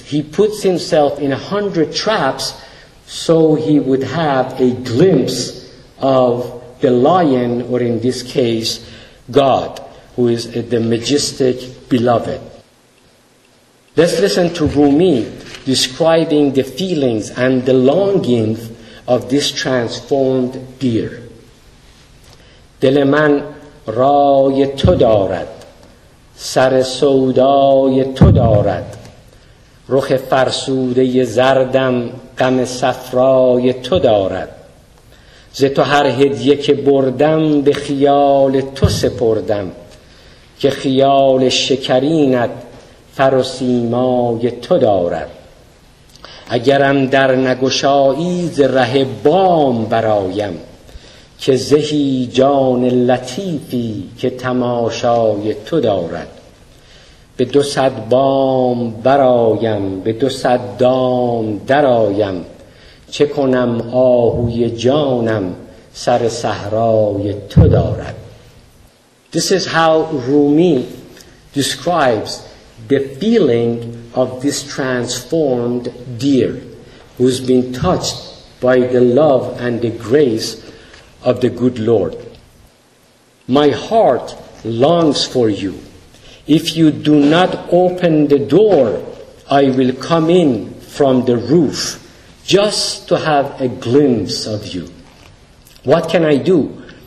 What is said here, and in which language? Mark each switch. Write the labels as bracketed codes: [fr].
[en] He puts himself in 100 traps so he would have a glimpse of the lion, or in this case, God, who is the majestic beloved. Let's listen to Rumi describing the feelings and the longings of this transformed deer. [fa] دل من رای تو دارد، سر سودای تو دارد، رخ فرسوده زردم غم صفرای تو دارد، ز تو هر هدیه که بردم به خیال تو سپردم، که خیال شکرینت فر و سیمای تو دارد. اگرم در نگشایی ز ره بام برایم، که زهی جان لطیفی که تماشای تو دارد. به 200 بام برایم، به 200 دام درایم، چه کنم آهوی جانم سر صحرای تو دارد. [en] This is how Rumi describes the feeling of this transformed deer who's been touched by the love and the grace of the good Lord. My heart longs for you. If you do not open the door, I will come in from the roof just to have a glimpse of you. What can I do?